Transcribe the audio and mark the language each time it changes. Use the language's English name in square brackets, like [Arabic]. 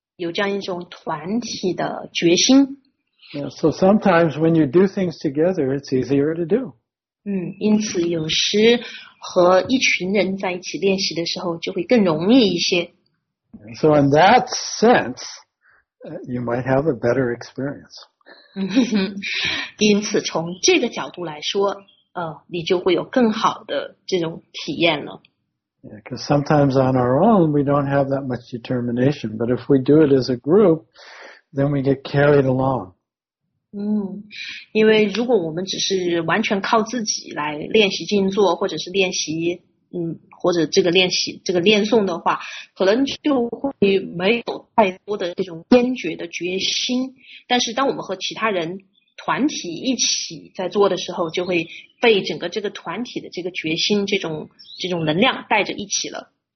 [Chinese] 有这样一种团体的决心。 [English] Yeah, so sometimes when you do things together, it's easier to do. [Chinese] 因此有时和一群人在一起练习的时候就会更容易一些。 [English] So in that sense, you might have a better experience. [Chinese] 因此从这个角度来说，你就会有更好的这种体验了。 [English] Yeah, because sometimes on our own, we don't have that much determination. But if we do it as a group, then we get carried along. [Chinese] 因为如果我们只是完全靠自己来练习静坐或者是练习或者这个练习这个念诵的话可能就会没有太多的这种坚决的决心但是当我们和其他人团体一起在做的时候就会被整个这个团体的这个决心这种能量带着一起了。